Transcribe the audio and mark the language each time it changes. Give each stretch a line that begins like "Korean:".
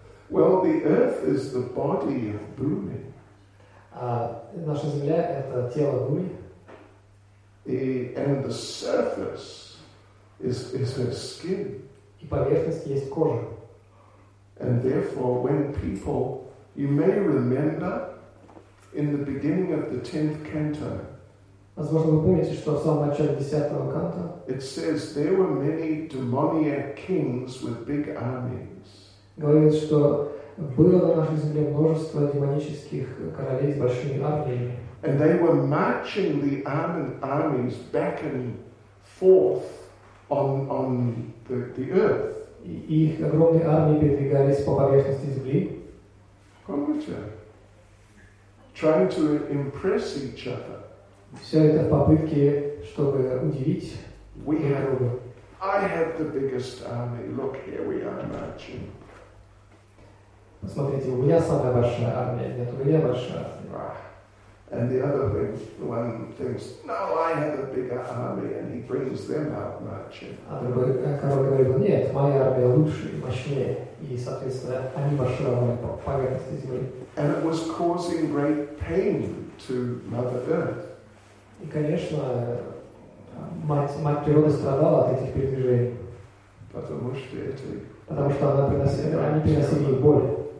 English: Well, the earth is the body of Bhumi.
Russian: Наша земля — это тело Бхуми.
English: And the surface is her skin.
Russian: И поверхность есть кожа.
English: And therefore, when people, you may remember, in the beginning of the 10th canto,
Russian: возможно, вы помните, что в самом начале 10-го канта,
English: it says there were many demoniac kings with big armies.
Russian: Говорит, что было на нашей земле множество демонических королей с большими армиями.
English: And they were marching the armies back and forth on the earth.
Russian: И их огромные армии передвигались по поверхности земли. Помните?
English: Trying to impress each other.
Russian: Все это в попытке, чтобы удивить.
English: We have, I have the biggest army. Look, here we are marching.
Russian: Посмотрите, у меня самая большая армия, нет, у меня большая армия.
English: And the other thing, the one thinks, no, I have a bigger army, and he brings them out marching.
Russian: А другой король говорит, нет, моя армия лучше и мощнее, и, соответственно, они большие армии по поверхности земли.
English: And it was causing great pain to Mother Earth.
Russian: И, конечно, мать природа страдала от этих передвижений. Потому что эти... Потому что она приносила, они приносили ей боль.